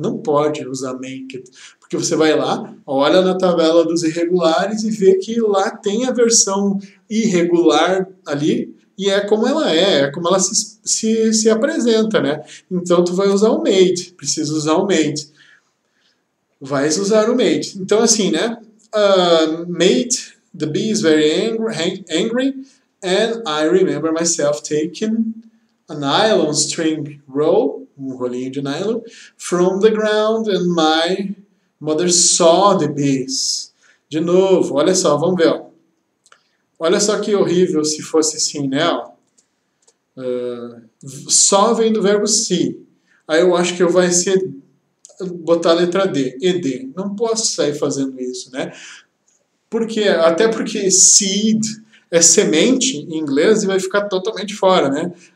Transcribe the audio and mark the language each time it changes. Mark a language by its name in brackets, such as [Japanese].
[Portuguese] Não pode usar make it, porque você vai lá, olha na tabela dos irregulares e vê que lá tem a versão irregular ali. E é como ela é como ela se apresenta, né? Então tu vai usar o made, precisa usar o made. Vais usar o made. Então assim, né? [English] Made, the bee is very angry, and I remember myself taking a nylon string roll, [Portuguese] um rolinho de nylon, [English] from the ground, and my mother saw the bees. [Portuguese] De novo, olha só, vamos ver, ó. Olha só que horrível se fosse assim, né? Só vem do verbo see. Aí eu acho que eu vai ser botar a letra D, ED. Não posso sair fazendo isso, né? Porque até porque seed é semente em inglês e vai ficar totalmente fora, né?